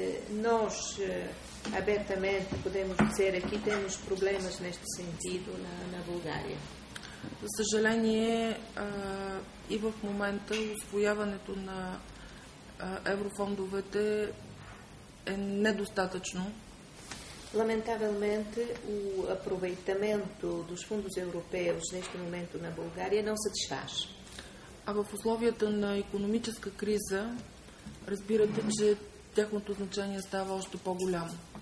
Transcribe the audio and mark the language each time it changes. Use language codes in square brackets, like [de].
[pt] Nós abertamente podemos dizer aqui temos problemas neste sentido na Bulgária. [bg] За съжаление, и в момента усвояването на еврофондовете е недостатъчно. [pt] Lamentavelmente, o aproveitamento dos fundos europeus neste momento na Bulgária não satisfaz. [bg] А в условията на икономическа криза, разбирате, че тяхното значение става още по-голямо.